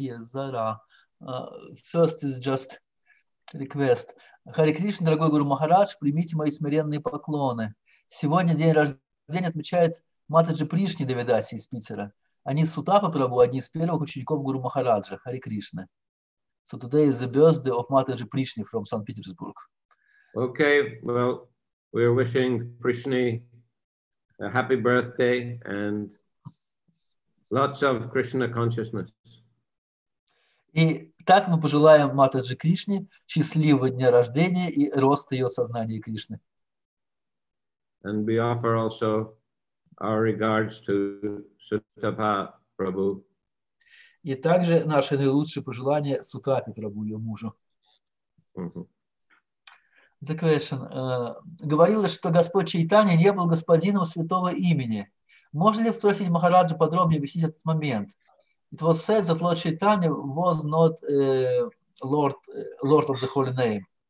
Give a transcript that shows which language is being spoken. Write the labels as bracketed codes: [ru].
[en] Yes, Zara. First is just request. [ru] Hare Krishna, дорогой Гуру Махарадж, примите мои смиренные поклоны. Сегодня день рождения отмечает Матаджи Пришни Девидаси из Питера. Они Сутапа Прабу, одни из первых учеников Гуру Махараджа. [sa] Hare Krishna. [en] So today is the birthday of Matadji Prishni from St. Petersburg. Okay, well, we are wishing Prishni a happy birthday and lots of Krishna consciousness. [ru] И так мы пожелаем Матадже Кришне счастливого дня рождения и роста ее сознания Кришны. [en] And we offer also our regards to Sutapa Prabhu. [ru] И также наши наилучшие пожелания Сутапе Прабу, ее мужу. Mm-hmm. [en] The question. [ru] Говорилось, что Господь Чайтанья не был господином святого имени. Можно ли спросить Махараджа подробнее объяснить этот момент? [en] It was said that Lord Chaitanya was not Lord of the Holy Name.